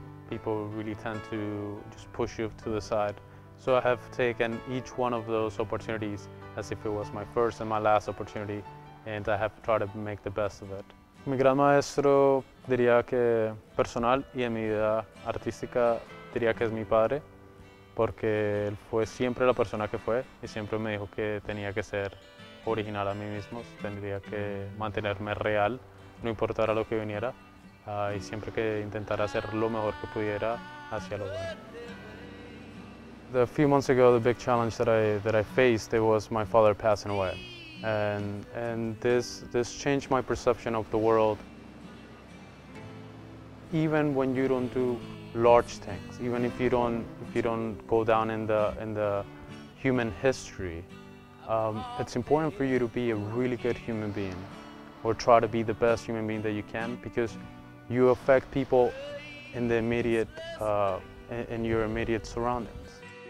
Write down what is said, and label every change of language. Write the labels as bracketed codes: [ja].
[en] People really tend to just push you to the side. So I have taken each one of those opportunities as if it was my first and my last opportunity, and I have tried to make the best of it. [es] Mi gran maestro diría que personal y en mi vida artística diría que es mi padre, porque él fue siempre la persona que fue y siempre me dijo que tenía que ser original a mí mismo, tendría que mantenerme real, no importara lo que viniera, y siempre que intentara hacer lo mejor que pudiera hacia lo bueno. [en] A few months ago, the big challenge that I faced, it was my father passing away. And this changed my perception of the world. Even when you don't do large things, even if you don't go down in the human history, it's important for you to be a really good human being, or try to be the best human being that you can, because you affect people in the immediate in your immediate surroundings.